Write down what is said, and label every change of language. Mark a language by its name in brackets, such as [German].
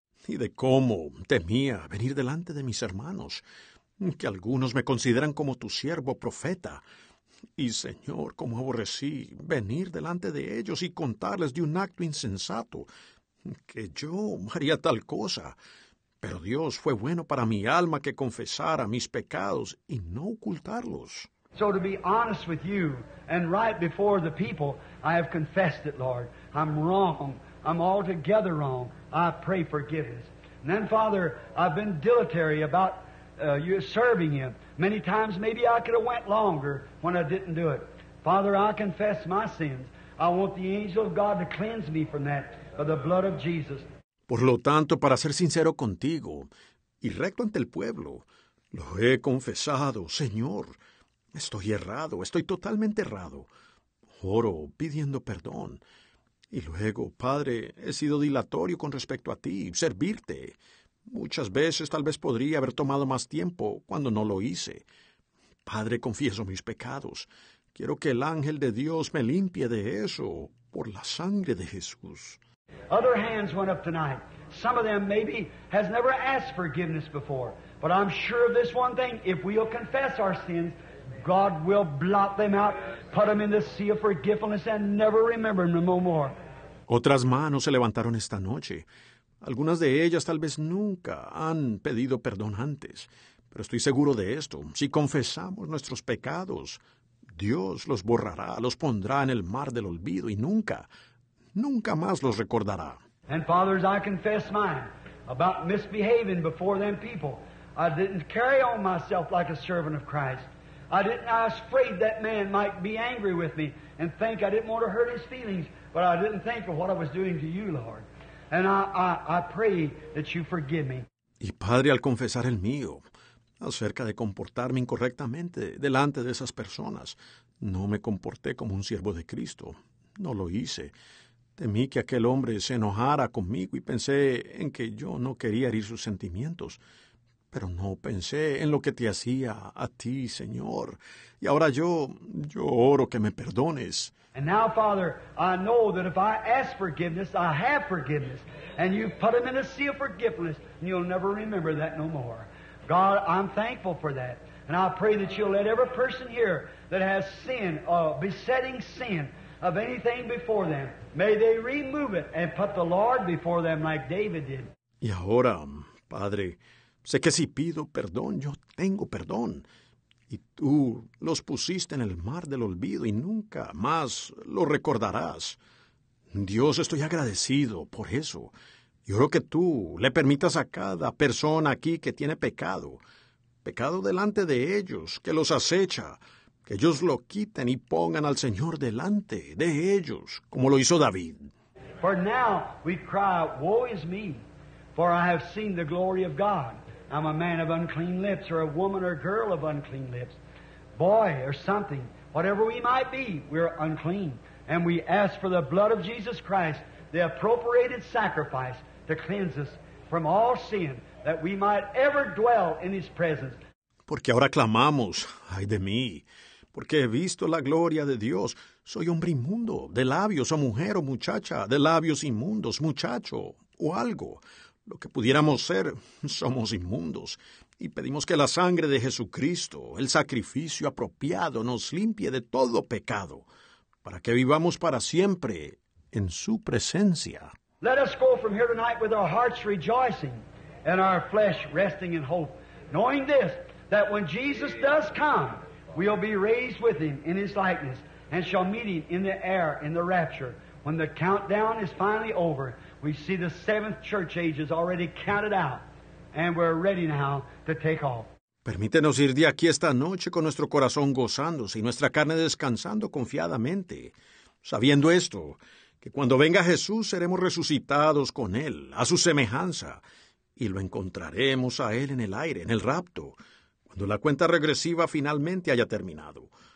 [Spanish] Y de cómo temía venir delante de mis hermanos, que algunos me consideran como tu siervo profeta. Y, Señor, cómo aborrecí venir delante de ellos y contarles de un acto insensato, que yo haría tal cosa. Pero Dios fue bueno para mi alma que confesara mis pecados y no ocultarlos. [English] So to be honest with you, and right before the people, I have confessed it, Lord. I'm wrong. I'm altogether wrong. I pray forgiveness. And then, Father, I've been dilatory about you're serving Him. Many times maybe I could have went longer when I didn't do it. Father, I confess my sins. I want the angel of God to cleanse me from that by the blood of Jesus. [Spanish] Por lo tanto, para ser sincero contigo y recto ante el pueblo, lo he confesado, Señor. Estoy errado. Estoy totalmente errado. Oro pidiendo perdón. Y luego, Padre, he sido dilatorio con respecto a ti, servirte. Muchas veces tal vez podría haber tomado más tiempo cuando no lo hice. Padre, confieso mis pecados. Quiero que el ángel de Dios me limpie de eso por la sangre de Jesús. [English] Other hands went up tonight. Some of them maybe has never asked forgiveness before. But I'm sure of this one thing. If we'll confess our sins, God will blot them out, put them in the sea of forgiveness and never remember them no more. [Spanish] Otras manos se levantaron esta noche. Algunas de ellas tal vez nunca han pedido perdón antes, Pero estoy seguro de esto. Si confesamos nuestros pecados, Dios los borrará, los pondrá en el mar del olvido y nunca, nunca más los recordará. [English] And fathers, I confess mine about misbehaving before them people. I didn't carry on myself like a servant of Christ. I was afraid that man might be angry with me and think I didn't want to hurt his feelings, but I didn't think of what I was doing to you, Lord. And I pray that you forgive me. [Spanish] Y padre, al confesar el mío, acerca de comportarme incorrectamente delante de esas personas, no me comporté como un siervo de Cristo. No lo hice. Temí que aquel hombre se enojara conmigo y pensé en que yo no quería herir sus sentimientos. Pero no pensé en lo que te hacía a ti, Señor. Y ahora yo oro que me perdones. [English] And now, Father, I know that if I ask forgiveness, I have forgiveness. And you put him in a sea of forgiveness, and you'll never remember that no more. God, I'm thankful for that. And I pray that you'll let every person here that has sin, besetting sin of anything before them, may they remove it and put the Lord before them like David did. [Spanish] Y ahora, Padre, sé que si pido perdón, yo tengo perdón. Y tú los pusiste en el mar del olvido y nunca más lo recordarás. Dios, estoy agradecido por eso. Y oro que tú le permitas a cada persona aquí que tiene pecado, pecado delante de ellos, que los acecha, que ellos lo quiten y pongan al Señor delante de ellos, como lo hizo David. [English] For now we cry, woe is me, for I have seen the glory of God. I'm a man of unclean lips, or a woman or girl of unclean lips, boy or something, whatever we might be, we're unclean. And we ask for the blood of Jesus Christ, the appropriated sacrifice, to cleanse us from all sin, that we might ever dwell in His presence. [Spanish] Porque ahora clamamos, ay de mí, porque he visto la gloria de Dios. Soy hombre inmundo, de labios, o mujer, o muchacha, de labios inmundos, muchacho, o algo. Lo que pudiéramos ser, somos inmundos. Y pedimos que la sangre de Jesucristo, el sacrificio apropiado, nos limpie de todo pecado, para que vivamos para siempre en su presencia. [English] Let us go from here tonight with our hearts rejoicing and our flesh resting in hope, knowing this, that when Jesus does come, we'll be raised with him in his likeness and shall meet him in the air in the rapture. When the countdown is finally over, we see the seventh church age is already counted out, and we're ready now to take off. [Spanish] Permítenos ir de aquí esta noche con nuestro corazón gozándose y nuestra carne descansando confiadamente, sabiendo esto, que cuando venga Jesús seremos resucitados con Él, a su semejanza, y lo encontraremos a Él en el aire, en el rapto, cuando la cuenta regresiva finalmente haya terminado.